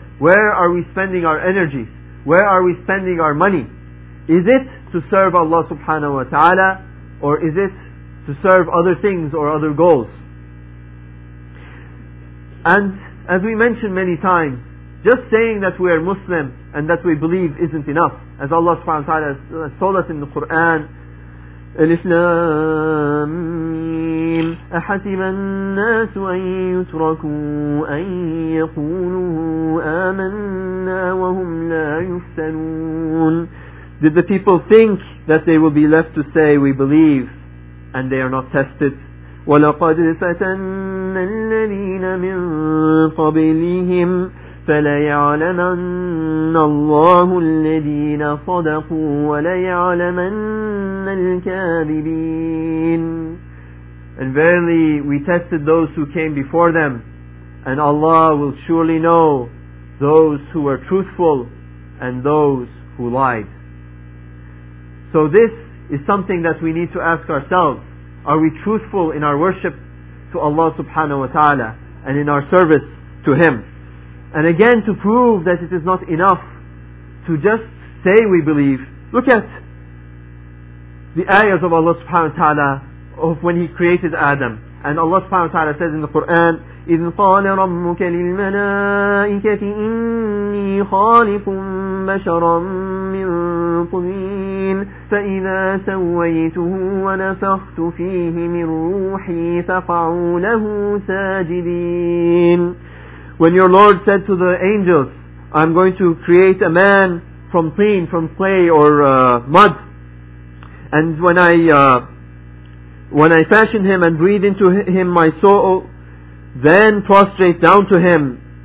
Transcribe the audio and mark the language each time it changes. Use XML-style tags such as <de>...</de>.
<en>Where are we spending our energies? Where are we spending our money? Is it to serve Allah subhanahu wa ta'ala, or is it to serve other things or other goals? And as we mentioned many times, just saying that we are Muslim and that we believe isn't enough. As Allah subhanahu wa ta'ala has told us in the Quran,</en> <ar>الْإِسْلَامُ مِيمُ أَحَسِبَ النَّاسُ أَن يُتْرَكُوا أَن يَقُولُوا آمَنَّا وَهُمْ لَا يُفْتَنُونَ.</ar> <en>Did the people think that they will be left to say we believe and they are not tested?</en> <ar>وَلَقَدْ فَتَنَّ الَّذِينَ مِنْ قَبْلِهِمْ فَلَيَعْلَمَنَّ اللَّهُ الَّذِينَ صَدَقُوا وَلَيَعْلَمَنَّ الْكَاذِبِينَ.</ar> <en>And verily we tested those who came before them, and Allah will surely know those who were truthful and those who lied. So this is something that we need to ask ourselves. Are we truthful in our worship to Allah subhanahu wa ta'ala and in our service to Him? And again, to prove that it is not enough to just say we believe, look at the ayahs of Allah subhanahu wa ta'ala of when He created Adam. And Allah subhanahu wa ta'ala says in the Quran,</en> <ar>إِذْ قَالَ رَبُّكَ لِلْمَلَائِكَةِ إِنِّي خَالِقٌ بَشَرًا مِّن طِينٍ فَإِذَا سَوَّيْتُهُ وَنَفَخْتُ فِيهِ مِن رُّوحِي فَقَعُوا لَهُ سَاجِدِينَ.</ar> <en>When your Lord said to the angels, I'm going to create a man from tin, from clay or mud, and when I fashion him and breathe into him my soul, then prostrate down to him.</en>